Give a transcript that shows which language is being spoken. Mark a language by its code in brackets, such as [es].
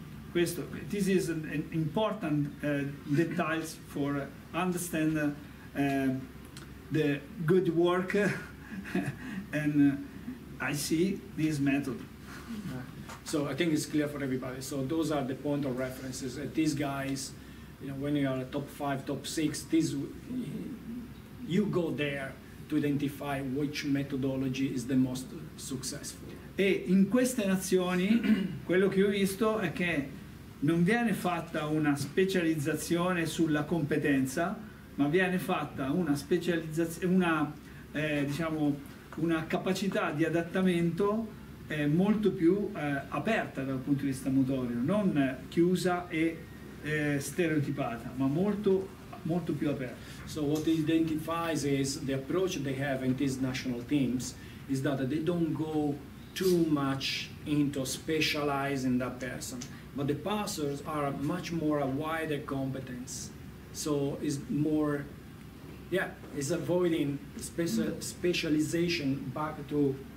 [en] Questo, this is an important details for understand the good work, and I see this method. So I think it's clear for everybody. So those are the point of references. These guys, you know, when you are a top five, top six, this, you go there to identify which methodology is the most successful. [it] E in queste nazioni, quello che ho visto è che non viene fatta una specializzazione sulla competenza, ma viene fatta una specializzazione, una diciamo una capacità di adattamento molto più aperta dal punto di vista motorio, non chiusa e stereotipata, ma molto molto più aperta. [en] So what it identifies is the approach they have in these national teams is that they don't go too much into specializing that person, but the passers are much more a wider competence. So it's more, it's avoiding specialization back to.